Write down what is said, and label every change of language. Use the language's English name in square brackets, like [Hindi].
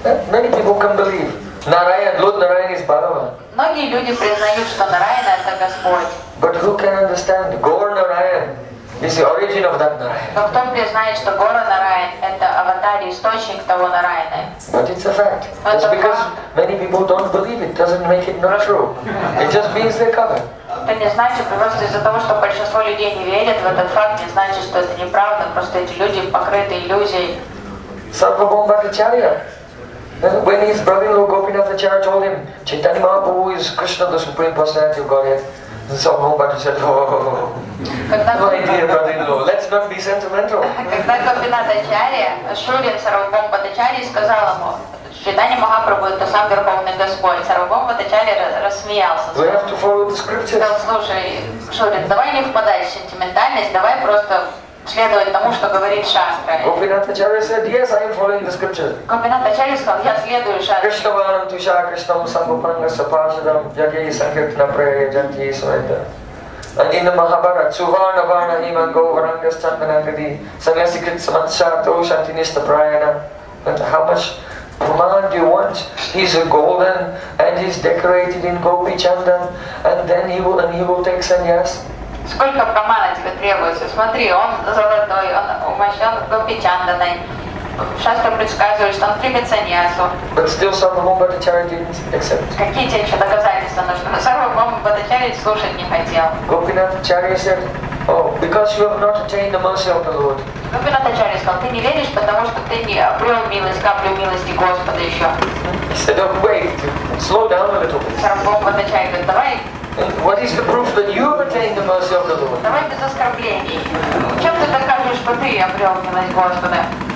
[English] Many people can believe Narayan, Lord Narayan is Bhagavan. [Russian] Многие люди признают, что Нараяна это Господь. [English] But who can understand Gaur Narayan is the origin of that Narayan? [Russian] Кто признает, что Гора Нараян это аватар, источник того Нараяна? [English] But it's a fact. Just because many people don't believe it doesn't make it not true. It just means they cover. [Russian] Это не значит, просто из-за того, что большинство людей не верят в этот факт, не значит, что это неправда. Просто эти люди покрыты иллюзией. Сарвабхаумбхачарья. [English] When his brother-in-law Gopinath Acharya told him, Chaitanya Mahaprabhu is Krishna, the Supreme Personality of Godhead, and so on, but he said, oh, my dear brother-in-law, let's not be sentimental. [Russian] Когда Гопинат Ачарья, Шурин Сарвабхаумбхат Ачарья, сказал ему, Чайтанья Махапрабху это сам Верховный Господь, Сарвабхаумбхат Ачарья рассмеялся. [English] We have to follow the scriptures. [Russian] Сказал, слушай, Шурин, давай не впадай в сентиментальность, давай просто следовать тому, что говорит Шастра. [English] Гопинат Ачарья said, yes, I am following the scriptures. [Russian] Гопинат Ачарья сказал, я следую Шастре. [Sanskrit] Кришна Ванам Туша, Кришна Мусамбапанга Сапашадам, Ягей Санхиртна Прайяджанти и Суэта. And in the Mahabharata, Suvarna Varna Himan Govaranga Stantanagadi, Sanyasikrit Samatshato Shantinista Prayana. [English] But how much command do you want? He's a golden and he's decorated in Gopi Chandan and then he will take sannyas. [Russian] Сколько промана тебе требуется? Смотри, он золотой, он умощен Гопи Чанданой. Шастра предсказывает, что он примет саньясу. [English] But still Sarvabhaumbhattacharya didn't accept. [Russian] Какие тебе еще доказательства нужны? Sarvabhaumbhattacharya слушать не хотел. [English] Gopinathacharya said, oh, because you have not attained the mercy of the Lord. [Russian] Gopinathacharya сказал, ты не веришь, потому что ты не обрел милость, каплю милости Господа еще. [English] He said, oh, wait, slow down a little bit. [Russian] Sarvabhaumbhattacharya говорит, давай. [English] And what is the proof that you have attained the mercy of the Lord? [Russian] Давай без оскорблений. Чем ты докажешь, что ты обрел милость Господа?